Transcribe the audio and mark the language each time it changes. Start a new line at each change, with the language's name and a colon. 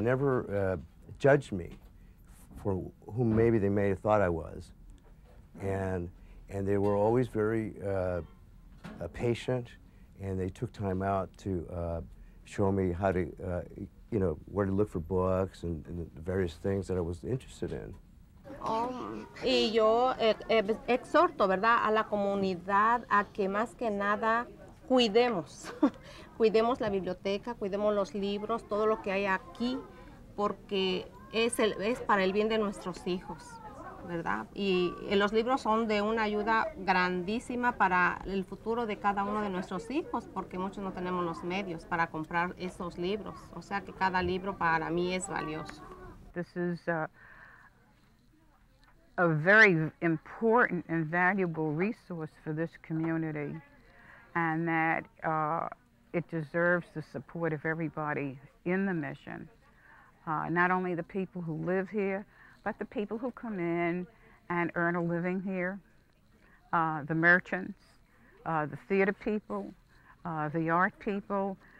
English: They never judged me for who maybe they may have thought I was. And they were always very patient, and they took time out to show me how to, you know, where to look for books and the various things that I was interested in.
Spanish: Y yo exhorto, ¿verdad?, a la comunidad a que más que nada cuidemos. Cuidemos la biblioteca, cuidemos los libros, todo lo que hay aquí, porque es para el bien de nuestros hijos, ¿verdad? Y los libros son de una ayuda grandísima para el futuro de cada uno de nuestros hijos, porque muchos no tenemos los medios para comprar esos libros. O sea que cada libro para mí es valioso.
English: This is a very important and valuable resource for this community, and that it deserves the support of everybody in the mission. Not only the people who live here, but the people who come in and earn a living here, the merchants, the theater people, the art people.